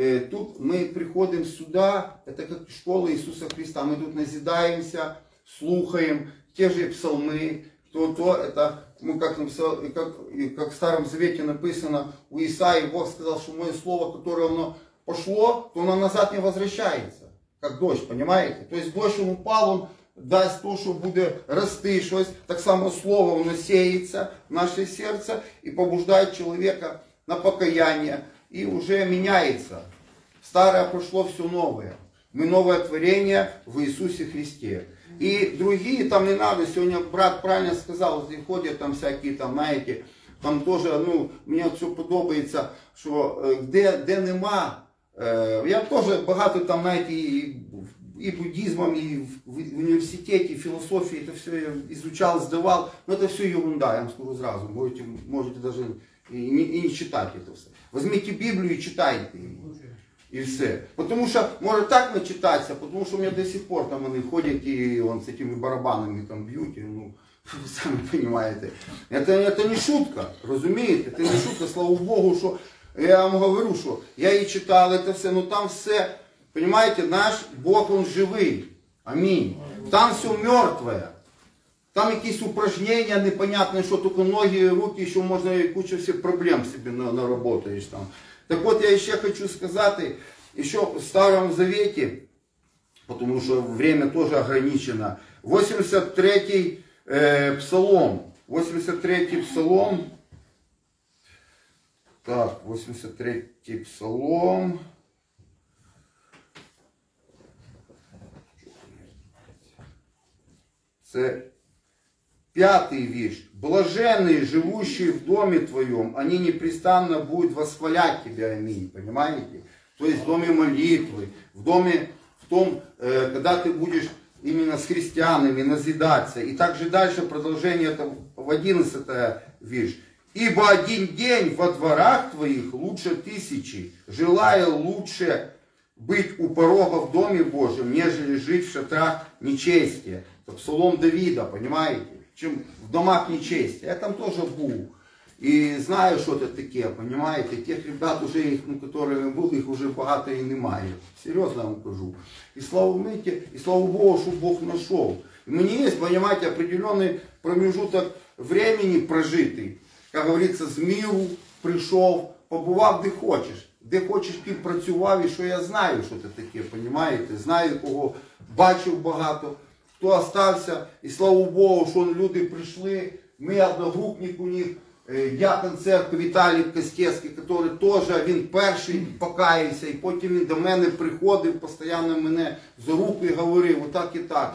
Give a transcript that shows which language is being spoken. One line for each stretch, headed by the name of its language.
Ukrainian: Тут ми приходимо сюди, це як школа Ісуса Христа, ми тут назидаємося, слухаємо, ті ж псалми,
Russian: то это, ну, как в Старом Завете написано,
Ukrainian: у Ісаї Бог сказав, що моє слово, яке воно пішло, то воно назад не возвращається, як дощ, понимаєте? Тобто дощ, він упав, він дасть то, що буде рости щось, так само слово, воно сеється в наше серце і побуждає чоловіка на покаяння.
Russian: И уже меняется. Старое прошло, все новое. Мы новое творение в Иисусе Христе. И другие там не надо. Сегодня брат правильно сказал, ходят там всякие, там, знаете, там тоже, ну, мне все подобается, что где нема, я тоже багато там, знаете, и буддизмом, и в университете, и философии, это все изучал, сдавал. Но это все ерунда, я вам скажу сразу. Можете даже и не читать это все. Возьмите Библию и читайте. И все. Потому что может так начитаться, потому что у меня до сих пор там они ходят и он с этими барабанами там бьют. И, ну, сами понимаете. Это не шутка, разумеете? Это не шутка, слава Богу, что я вам говорю, что я и читал это все, но там все, понимаете, наш Бог, он живый. Аминь. Там все мертвое.
Ukrainian: Там якісь упражнення непонятні, що тільки ноги, руки, що можна і куча всіх проблем собі наработаєш там. Так от я ще хочу сказати, що в Старому Завіті, тому що час теж ограничено, 83-й псалом, 83-й псалом, так, 83-й псалом, це...
Russian: Пятый вещ. Блаженные, живущие в доме твоем, они непрестанно будут восхвалять тебя. Аминь. Понимаете? То есть в доме молитвы, в доме, в том, когда ты будешь именно с христианами назидаться. И также дальше продолжение это в 11 вещ. Ибо один день во дворах твоих лучше тысячи, желая лучше быть у порога в доме Божьем, нежели жить в шатрах нечестия. Это псалом Давида, понимаете? Чем в домах нечести. Я там тоже был. И знаю, что это такое, понимаете. Тех ребят уже, их, ну, которые были, их уже много и немає. Серьезно вам скажу. И слава Богу, что Бог нашел. И мне есть, понимаете, определенный промежуток времени прожитый. Как говорится, с миру пришел, побывал, где хочешь. Где хочешь, ты працював, и что я знаю, что это такое, понимаете.
Ukrainian: Знаю, кого бачив багато. Хто залишився, і слава Богу, що люди прийшли, ми одногрупник у них, дякон церкви Віталій Костєвський, який теж, він перший покаявся, і потім він до мене приходив, постійно мене за руку і говорив, отак і так.